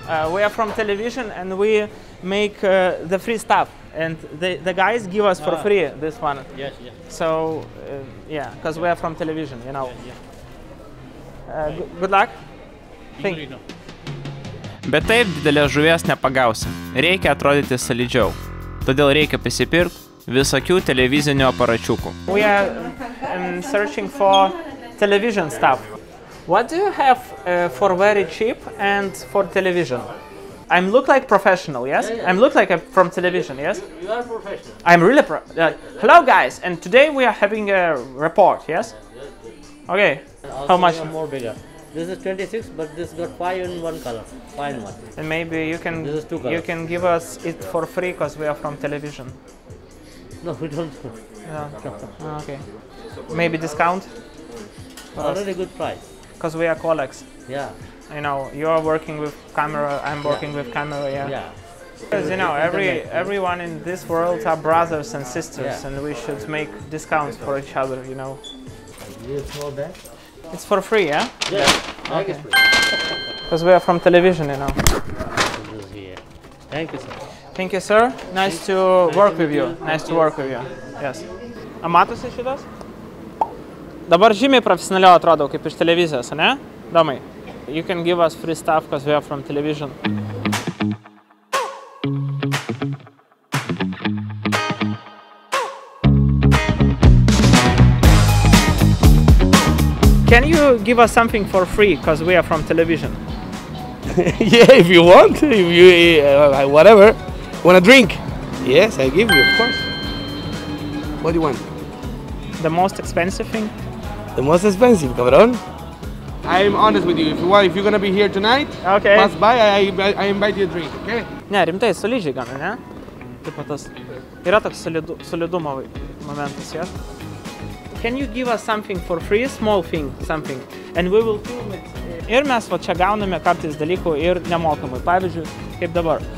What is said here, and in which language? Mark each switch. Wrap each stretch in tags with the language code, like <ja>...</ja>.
<en>We are from television and we make the free stuff. And the guys give us for free this one. Yes, yes. So, yeah, because we are from television, you know. Yes. Good luck. Thank you.</en> <lt>Bet taip didelės žuvies nepagausi. Reikia atrodyti solidžiau. Todėl reikia prisipirkti visokių televizinių aparačiukų.</lt> <en>We are searching for television stuff. What do you have for very cheap and for television? I look like professional, yes? I look like I'm from television, yes? You are professional. I'm really hello guys, and today we are having a report, yes? Okay. How much more bigger? This is 26, but this got 5 in one color, 5 in one. And maybe you can this is two colors. You can give us it for free because we are from television. No, we don't. Yeah. No. Okay. Maybe discount? Already good price. Because we are colleagues. Yeah. You know, you are working with camera, I'm working with camera, yeah. Yeah. Because you know, everyone in this world are brothers and sisters and we should make discounts for each other, you know. You know that? It's for free, yeah? Yeah. Okay. Because we are from television, you know. Thank you, sir. Thank you, sir. Nice to work with you. Nice to work with you. Yes.</en> <lt>A matosi šitas? Dabar žymiai profesionaliau atrodo, kaip iš televizijos, ne? Domai.</lt> <en>You can give us free stuff, because we are from television. Can you give us something for free, because we are from television? Yeah, if you want, if you, whatever. Want a drink? Yes, I give you, of course. What do you want? The most expensive thing? The most expensive, cabrón. I'm honest with you, if you want, if you're gonna be here tonight, okay. Pass by, I invite you a drink, okay?</en> <lt>Ne, rimtai, solidžiai gana, ne? Taip pat tas, yra toks solidumo momentas, jo?</lt> <en>Can you give us something for free, small thing, something, and we will film it.</en> <lt>Ir mes va čia gauname kartais dalykų ir nemokamai, pavyzdžiui, kaip dabar.</lt>